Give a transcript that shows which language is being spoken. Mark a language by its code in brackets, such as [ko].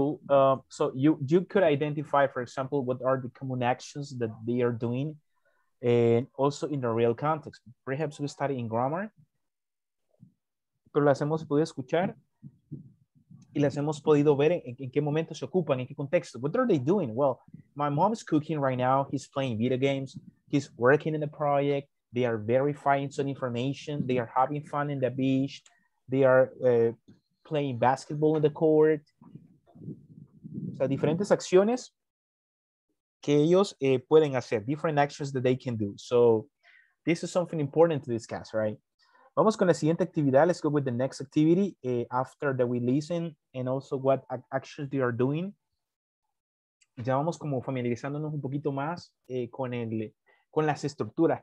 [en] So you could identify, for example, what are the common actions that they are doing, and also in the real context. Perhaps we study in grammar. [es] Pero las hemos podido escuchar y las hemos podido ver en qué momento se ocupan, en qué contexto. [en] What are they doing? Well, my mom is cooking right now. He's playing video games. He's working in a project. They are verifying some information. They are having fun in the beach. They are playing basketball in the court. [es] O sea, diferentes acciones que ellos pueden hacer. [en] Different actions that they can do. So this is something important to discuss, right? [es] Vamos con la siguiente actividad. [en] Let's go with the next activity after that we listen and also what actions they are doing. [es] Ya vamos como familiarizándonos un poquito más con las estructuras.